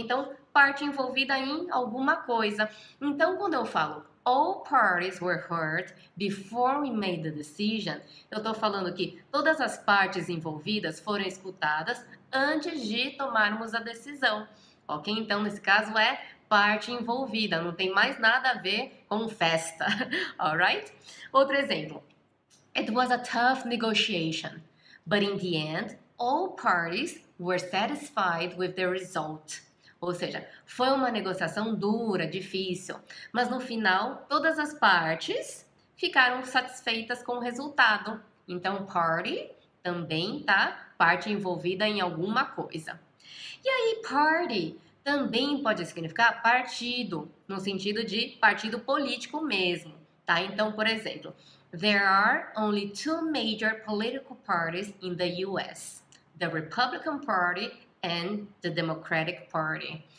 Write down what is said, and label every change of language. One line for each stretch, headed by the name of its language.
Portuguese: Então, parte envolvida em alguma coisa. Então, quando eu falo
English: "All parties were hurt before we made the decision",
Portuguese: eu estou falando que todas as partes envolvidas foram escutadas antes de tomarmos a decisão. Ok? Então, nesse caso é parte envolvida, não tem mais nada a ver com festa.
English: Alright?
Portuguese: Outro exemplo.
English: It was a tough negotiation, but in the end, all parties were satisfied with the result.
Portuguese: Ou seja, foi uma negociação dura, difícil, mas no final todas as partes ficaram satisfeitas com o resultado. Então, party também tá parte envolvida em alguma coisa. E aí, party também pode significar partido, no sentido de partido político mesmo, tá? Então, por exemplo,
English: there are only two major political parties in the US, the Republican Party and the Democratic Party.